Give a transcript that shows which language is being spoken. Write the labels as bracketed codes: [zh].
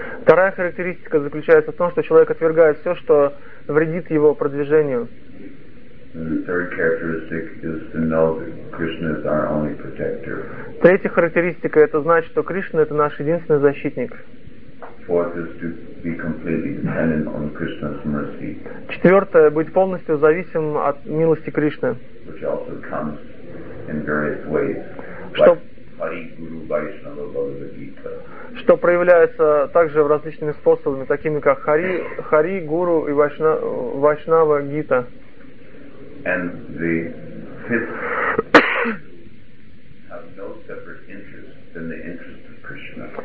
[ru] Вторая характеристика заключается в том, что человек отвергает все, что вредит его продвижению. [en] And the third characteristic is to know that Krishna is our only protector. [ru] Третья характеристика — это знать, что Кришна — это наш единственный защитник. [en] Fourth is to be completely dependent on Krishna's mercy. [ru] Четвертое — быть полностью зависим от милости Кришны. [en] Which also comes in various ways. [ru] Что Hari Guru Vaishnava Bhagavad Gita. Что проявляется также в различными способами, такими как Хари, Гуру и Вайшнава Гита. [en] And the fifth have no separate interest than the interest of Krishna.